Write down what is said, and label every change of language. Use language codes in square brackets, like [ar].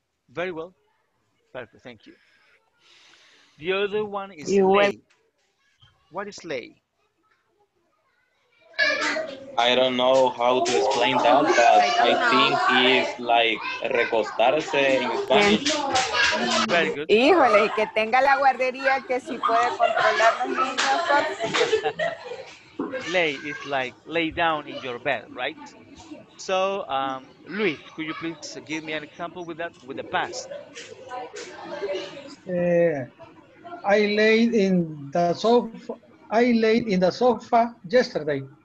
[en] Very well. Perfect. Thank you. The other one is lay. What is lay? I don't know how to explain that, but I think it's like recostarse in Spanish. Very good. [es] Híjole, que tenga la guardería que si puede controlar los niños. [en] Lay is like lay down in your bed, right? So, Luis, could you please give me an example with that, with the past? I laid in the sofa yesterday.